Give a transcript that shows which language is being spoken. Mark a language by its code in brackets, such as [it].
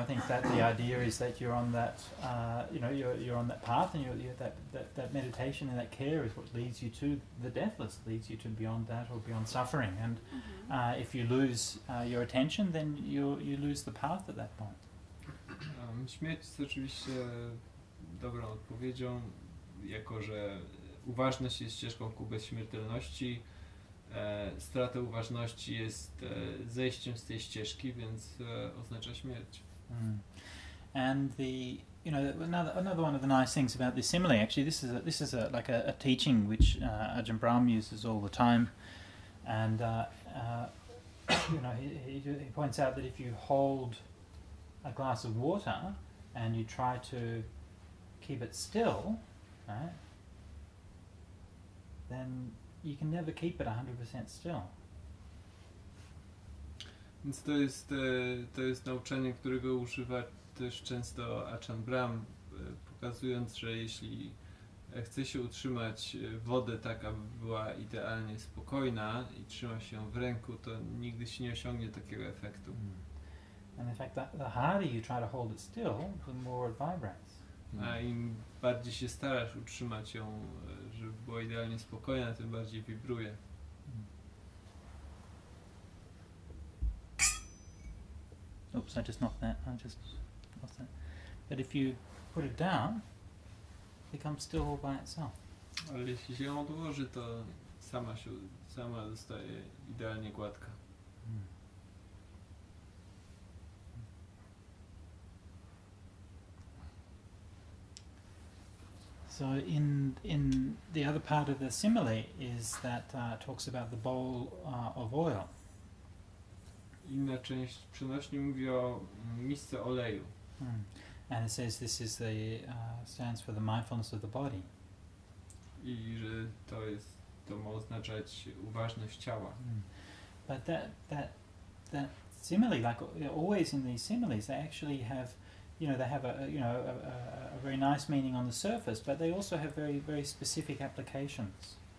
[en] I think that the idea is that you're on that, you're on that path and you're that meditation and that care is what leads you to the deathless, leads you to beyond that or beyond suffering. And if you lose your attention, then you lose the path at that point. [pl] Śmierć jest oczywiście dobrą odpowiedzią, jako że uważność jest ścieżką ku bezśmiertelności. Strata uważności jest zejściem z tej ścieżki, więc oznacza śmierć. [en] And the, you know, another one of the nice things about this simile, actually, this is a teaching which Ajahn Brahm uses all the time. And you know, he points out that if you hold a glass of water and you try to keep it still, right? Then you can never keep it 100% still. [pl] Więc to jest nauczanie, którego używa też często Ajahn Brahm, pokazując, że jeśli chce się utrzymać wodę tak, aby była idealnie spokojna i trzyma się w ręku, to nigdy się nie osiągnie takiego efektu. [en] And in fact, the harder you try to hold it still, the more it vibrates. [pl] A im bardziej się starasz utrzymać ją, żeby była idealnie spokojna, tym bardziej wibruje. [en] Oops, I just knocked that. I just lost that. But if you put it down, it becomes still all by itself. [pl] Ale jeśli się ją odłoży, to sama zostaje idealnie gładka. [en] So in the other part of the simile is that talks about the bowl of oil. [pl] Inna część przenośni mówi o misce oleju. [en] And it says this is the stands for the mindfulness of the body. [pl] I że to ma oznaczać uważność ciała. [en] But that simile, like always in these similes, they actually have, you know, they have a very nice meaning on the surface, but they also have very, very specific applications.